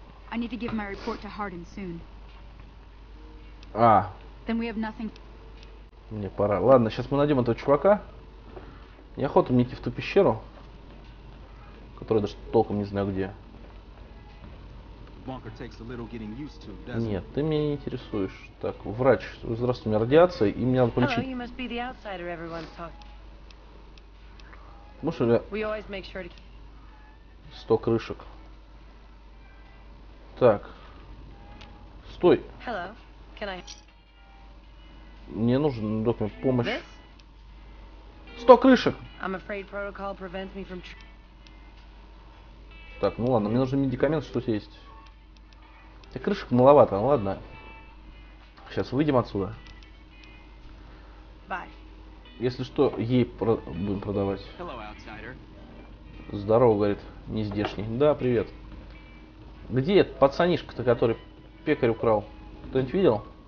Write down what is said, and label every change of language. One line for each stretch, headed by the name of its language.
English: I need to give my report to Hardin soon. А. Then we have nothing.
Russian: Мне пора. Ладно, сейчас мы найдем этого чувака. Неохота мне идти в ту пещеру, которую даже толком не знаю где.
English: Bunker takes a little getting used to, doesn't it?
Russian: Нет, ты меня не интересуешь. Так, врач. Здравствуй, у меня радиация, и мне надо полечить.
English: Hello, you must be the outsider everyone's talking.
Russian: Ну что ли?
English: We always make sure to...
Russian: 100 крышек. Так. Стой.
English: Hello. Can I...
Russian: Мне нужен документ помощи. 100 крышек.
English: I'm afraid protocol prevents me from...
Russian: Так, ну ладно, мне нужен медикамент, что тут есть. Крышек маловато, ну ладно. Сейчас выйдем отсюда. Bye. Если что, ей будем продавать.
English: Hello, outsider.
Russian: Здорово, говорит, не здешний. Да, привет. Где этот пацанишка-то, который пекарь украл? Кто-нибудь видел?